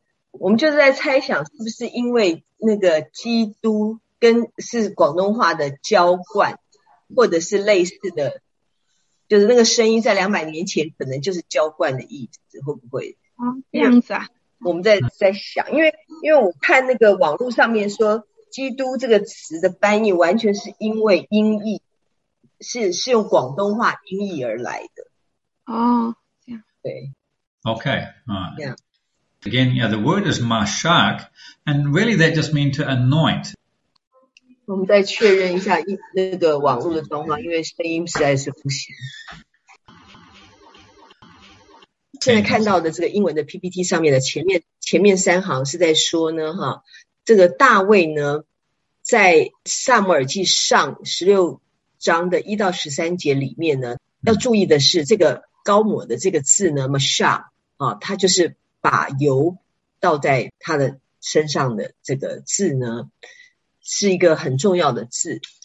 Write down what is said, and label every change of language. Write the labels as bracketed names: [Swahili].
[Chinese] 我们就是在猜想是不是因为那个基督跟是广东话的浇灌或者是类似的，就是那个声音在200年前可能就是浇灌的意思，会不会这样子啊？我们在想，因为我看那个网络上面说基督这个词的翻译完全是因为音译，是用广东话音译而来的。哦，这样。对。 [English] Okay. Yeah. Again, yeah, the word is mashak, and really that just means to anoint. [Chinese] 我们再确认一下那个网络的状况，因为声音实在是不行。现在看到的这个英文的 PPT 上面的前面三行是在说呢，哈。这个大卫呢在撒母耳记上16章的1到13节里面呢，要注意的是这个高抹的这个字呢 Mashah、啊、它就是把油倒在他的身上的这个字呢是一个很重要的字。